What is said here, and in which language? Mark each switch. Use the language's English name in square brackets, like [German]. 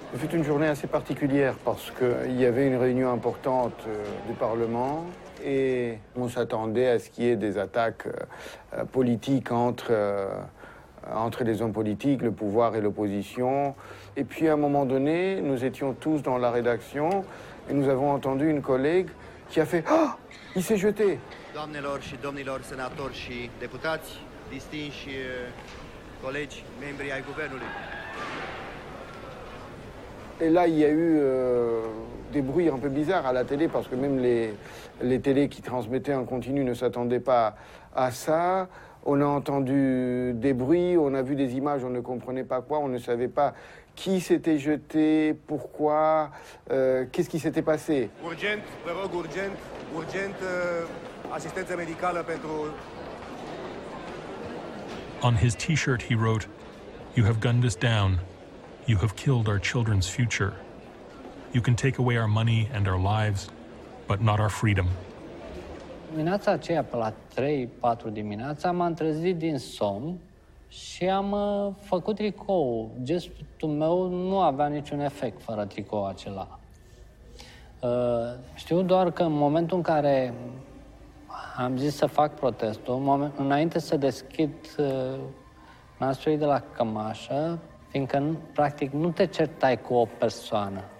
[French] C'était une journée assez particulière parce que il y avait une réunion importante du parlement et on s'attendait à ce qu'il y ait des attaques politiques entre les hommes politiques, le pouvoir et l'opposition. Et puis à un moment donné, nous étions tous dans la rédaction et nous avons entendu une collègue qui a fait "Ah, il s'est jeté." [Romanian] Doamnelor și domnilor senatori și deputați, distinși colegi, membri ai guvernului. [French] Et là, il y a eu des bruits un peu bizarres à la télé parce que même les télés qui transmettaient en continu ne s'attendaient pas à ça. On a entendu des bruits, on a vu des images, on ne comprenait pas quoi, on ne savait pas qui s'était jeté, pourquoi, qu'est-ce qui s'était passé. [Romanian] Urgent, vă rog, urgent, urgent, asistență medicală pentru... [English] On his t-shirt he wrote, "You have gunned us down. You have killed our children's future. You can take away our money and our lives, but not our freedom." [Romanian] Dimineața aceea, pe la 3-4 dimineața, m-am trezit din somn și am făcut tricou. Gestul meu nu avea niciun efect fără tricou acela. Știu doar că în momentul în care am zis să fac protestul, înainte să deschid nasturii de la cămașă, fiindcă, practic, nu te certai cu o persoană.